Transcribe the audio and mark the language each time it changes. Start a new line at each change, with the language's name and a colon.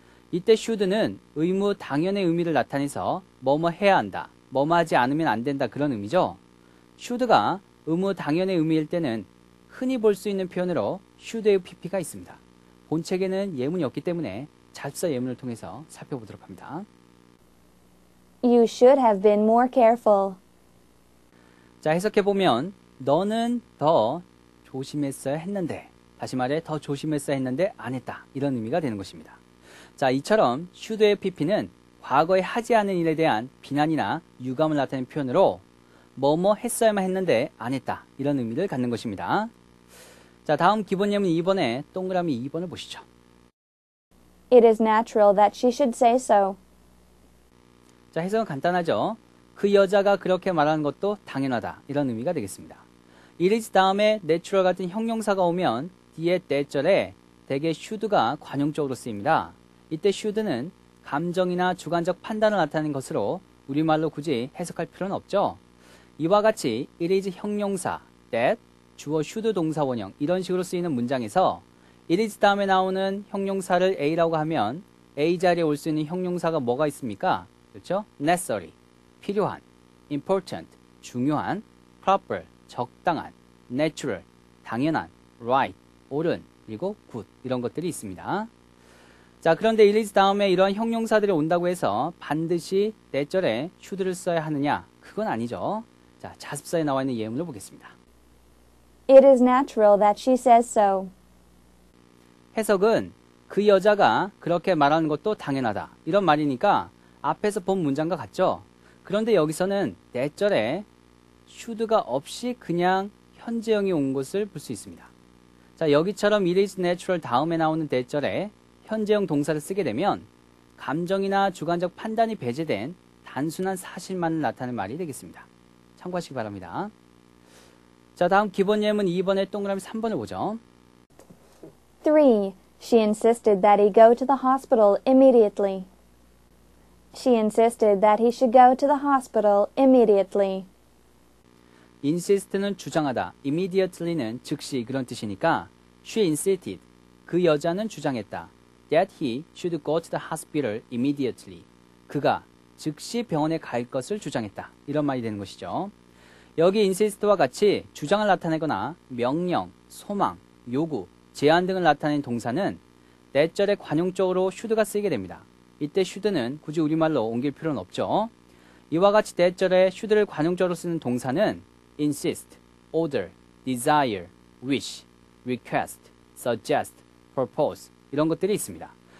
Korean: 이때 should는 의무 당연의 의미를 나타내서 뭐뭐 해야 한다, 뭐뭐 하지 않으면 안 된다 그런 의미죠. should가 의무 당연의 의미일 때는 흔히 볼 수 있는 표현으로 should의 PP가 있습니다. 본책에는 예문이 없기 때문에 잡서 예문을 통해서 살펴보도록 합니다.
English: You should have been more careful.
Korean: 자, 해석해보면 너는 더 조심했어야 했는데, 다시 말해 더 조심했어야 했는데 안 했다 이런 의미가 되는 것입니다. 자, 이처럼 should의 PP는 과거에 하지 않은 일에 대한 비난이나 유감을 나타내는 표현으로 뭐뭐 했어야만 했는데 안 했다 이런 의미를 갖는 것입니다. 자, 다음 기본 예문 2번에 동그라미 2번을 보시죠.
English: It is natural that she should say so.
Korean: 자, 해석은 간단하죠. 그 여자가 그렇게 말하는 것도 당연하다 이런 의미가 되겠습니다. It is 다음에 natural 같은 형용사가 오면 뒤에 대절에 대개 should가 관용적으로 쓰입니다. 이때 should는 감정이나 주관적 판단을 나타내는 것으로 우리말로 굳이 해석할 필요는 없죠. 이와 같이 it is 형용사, that, 주어 should 동사 원형 이런 식으로 쓰이는 문장에서 it is 다음에 나오는 형용사를 a라고 하면 a 자리에 올 수 있는 형용사가 뭐가 있습니까? 그렇죠? necessary, 필요한, important, 중요한, proper, 적당한, natural, 당연한, right, 옳은, 그리고 good 이런 것들이 있습니다. 자, 그런데 it is 다음에 이런 형용사들이 온다고 해서 반드시 대절에 should를 써야 하느냐? 그건 아니죠. 자, 자습서에 나와 있는 예문을 보겠습니다.
English: It is natural that she says so.
Korean: 해석은 그 여자가 그렇게 말하는 것도 당연하다. 이런 말이니까 앞에서 본 문장과 같죠? 그런데 여기서는 대절에 should가 없이 그냥 현재형이 온 것을 볼 수 있습니다. 자, 여기처럼 it is natural 다음에 나오는 대절에 현재형 동사를 쓰게 되면 감정이나 주관적 판단이 배제된 단순한 사실만을 나타내는 말이 되겠습니다. 참고하시기 바랍니다. 자, 다음 기본 예문 2번의 동그라미 3번을 보죠. 3.
English: She insisted that he go to the hospital immediately. She insisted that he should go to the hospital immediately.
Korean: Insist는 주장하다. Immediately는 즉시 그런 뜻이니까
English: She insisted.
Korean: 그 여자는 주장했다.
English: That he should go to the hospital immediately.
Korean: 그가 즉시 병원에 갈 것을 주장했다. 이런 말이 되는 것이죠. 여기 insist와 같이 주장을 나타내거나 명령, 소망, 요구, 제안 등을 나타내는 동사는 대절에 관용적으로 should가 쓰이게 됩니다. 이때 should는 굳이 우리말로 옮길 필요는 없죠. 이와 같이 대절에 should를 관용적으로 쓰는 동사는 insist, order, desire, wish, request, suggest, propose 이런 것들이 있습니다.